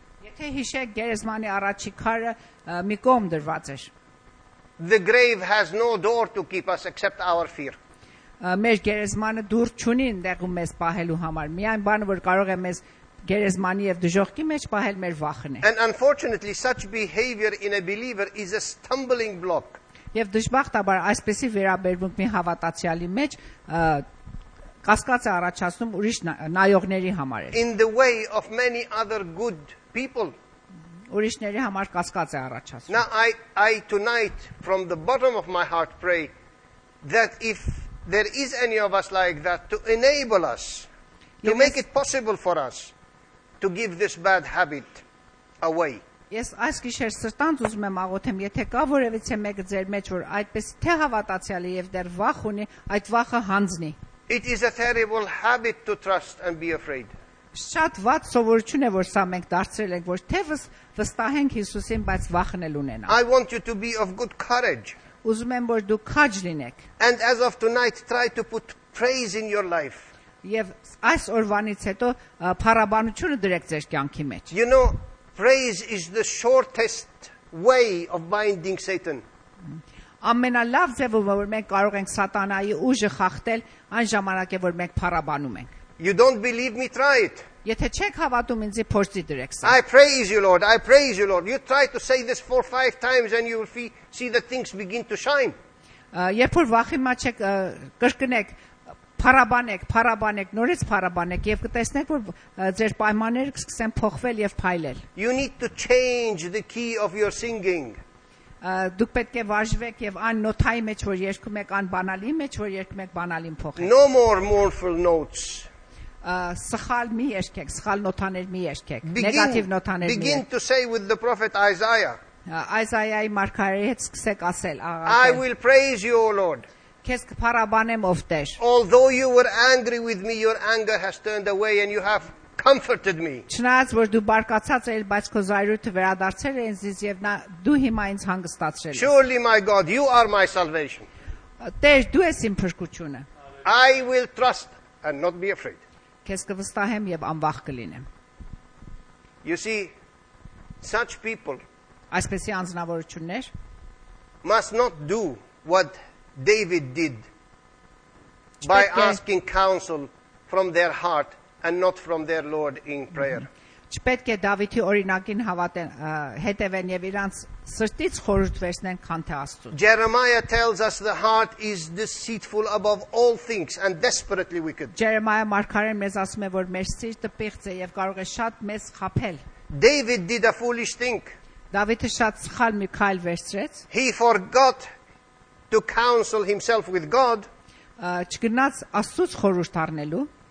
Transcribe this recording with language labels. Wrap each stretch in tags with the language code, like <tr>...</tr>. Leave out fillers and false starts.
<hy>Եթե հիշեք, գերեզմանի առաջի քարը մի կողմ դրված էր։</hy> <en>The grave has no door to keep us except our fear.</en> <hy>Մեր գերեզմանը դուր չունի ընդեղում մեզ պահելու համար։ Միայն բանը, որ կարող է մեզ գերեզմանի եւ դժոխքի մեջ պահել, մեր վախն է։</hy> <en>And unfortunately such behavior in a believer is a stumbling block.</en> <hy>Եվ դժբախտաբար այսպեսի վերաբերվում մի հավատացյալի մեջ կասկած է առաջացնում ուրիշ նայողների համար։</hy> <en>In the way of many other good people.</en> <hy>Ուրիշների համար կասկած է առաջացնում։</hy> <en>Now I tonight from the bottom of my heart pray that if there is any of us like that to enable us to make it possible for us to give this bad habit away.</en> <hy>Ես այս գիշեր սրտանց ուզում եմ աղոթեմ, եթե կա որևիցե մեկը ձեր մեջ, որ այդպես թե հավատացյալ է եւ դեռ վախ ունի, այդ վախը հանձնի։</hy> <en>It is a terrible habit to trust and be afraid.</en> <hy>Շատ վատ սովորություն է, որ սա մենք դարձրել ենք, որ թե վստահենք Հիսուսին, բայց վախն էլ ունենանք։</hy> <en>I want you to be of good courage.</en> <hy>Ուզում եմ, որ դու քաջ լինեք։</hy> <en>And as of tonight try to put praise in your life.</en> <hy>Եվ այս օրվանից հետո փառաբանությունը դրեք ձեր կյանքի մեջ։</hy> <en>You know, praise is the shortest way of binding Satan.</en> <hy>Ամենալավ ձևով, որ մենք կարող ենք Սատանայի ուժը խախտել, այն ժամանակ է, որ մենք փառաբանում ենք։</hy> <en>You don't believe me, try it.</en> <hy>Եթե չեք հավատում ինձ, փորձի դրեք սա։</hy> <en>I praise you, Lord. I praise you, Lord. You try to say this 4-5 times and you will see that things begin to shine.</en> <hy>Երբ որ վախի մեջ եք, կրկնեք, փառաբանեք, փառաբանեք, նորից փառաբանեք եւ կտեսնեք, որ ձեր պայմանները կսկսեն փոխվել եւ փայլել։</hy> <en>You need to change the key of your singing.</en> <hy>Դուք պետք է վարժվեք եւ այն նոթայի մեջ, որ երգում եք, այն բանալի մեջ, որ երգում եք, բանալին փոխեք։</hy> <en>No more mournful notes.</en> <hy>Սխալ մի երգեք, սխալ նոթաներ մի երգեք, նեգատիվ նոթաներ մի։</hy> <en>Begin to say with the prophet Isaiah.</en> <hy>Այսայայի մարգարեի հետ սկսեք ասել,</hy> <en>I will praise you, O Lord.</en> <hy>Քեզ կփարաբանեմ ով տեր.</hy> <en>Although you were angry with me, your anger has turned away and you have comforted me.</en> <hy>Չնայած որ դու բարկացած ես, բայց քո զայրույթը վերադարձել է ինձ եւ նա դու հիմա ինձ հանգստացրել ես.</hy> <en>Surely my God, you are my salvation.</en> <hy>Տեր, դու ես իմ փրկությունը.</hy> <en>I will trust and not be afraid.</en> <hy>Քեզ կվստահեմ եւ անվախ կլինեմ.</hy> <en>You see, such people,</en> <hy>այսպեսի անձնավորություններ,</hy> <en>must not do what David did by asking counsel from their heart and not from their Lord in prayer.</en> <hy>Չպետք է Դավիթի օրինակին հավատեն, հետևեն եւ իրանց սրտից խորհուրդ վերցնեն, քան թե Աստծուն.</hy> <en>Jeremiah tells us the heart is deceitful above all things and desperately wicked.</en> <hy>Jeremiah մարգարեն մեզ ասում է, որ մեր սիրտը պիղծ է եւ կարող է շատ մեզ խաբել.</hy> <en>David did a foolish thing.</en> <hy>Դավիթը շատ սխալ մի քայլ վերցրեց.</hy> <en>He forgot to counsel himself with God.</en> <hy>Չգնաց Աստծուց խորհուրդ առնելու.</hy>